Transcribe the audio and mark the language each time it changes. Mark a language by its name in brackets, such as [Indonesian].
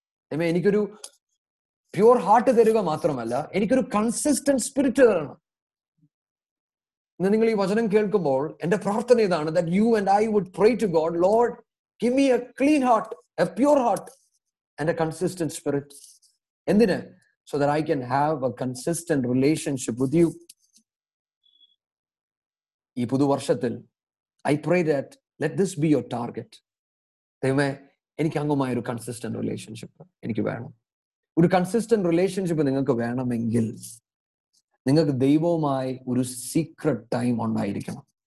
[Malayalam] ദൈവമേ, എനിക്കൊരു pure heart തരിക മാത്രമല്ല, എനിക്കൊരു കൺസിസ്റ്റന്റ് സ്പിരിറ്റ് തരണം. ഇന്ന് നിങ്ങൾ ഈ വചനം കേൾക്കുമ്പോൾ എന്റെ പ്രാർത്ഥന ഇതാണ്, [English] That you and I would pray to God, Lord give me a clean heart, a pure heart and a consistent spirit. [Malayalam] എന്തിന്? [English] So that I can have a consistent relationship with you. [Malayalam] ഈ പുതുവർഷത്തിൽ [English] I pray that let this be your target. [Malayalam] ദൈവമേ, എനിക്ക് അങ്ങുമായി ഒരു consistent relationship എനിക്ക് വേണം. ഒരു consistent relationship നിങ്ങൾക്ക് വേണമെങ്കിൽ നിങ്ങൾക്ക് ദൈവവുമായി ഒരു സീക്രട്ട് ടൈം ഉണ്ടായിരിക്കണം.